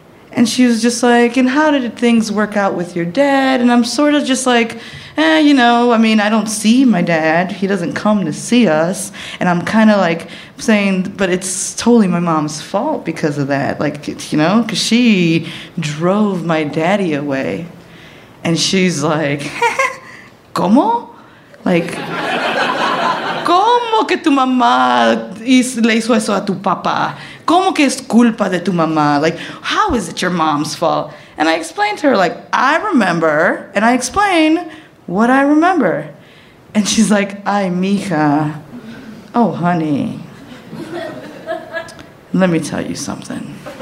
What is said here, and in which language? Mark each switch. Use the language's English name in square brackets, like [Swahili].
[English] And she was just like, and how did things work out with your dad? And I'm sort of just like, I don't see my dad. He doesn't come to see us. And I'm kind of like saying, but it's totally my mom's fault because of that. Like, you know, because she drove my daddy away. And she's like, [Spanish] ¿cómo? Like, ¿cómo que tu mamá le hizo eso a tu papá? ¿Cómo que es culpa de tu mamá? [English] Like, how is it your mom's fault? And I explained to her, like, I remember, and I explain what I remember. And she's like, [Spanish] ay, mija, [English] oh, honey, let me tell you something.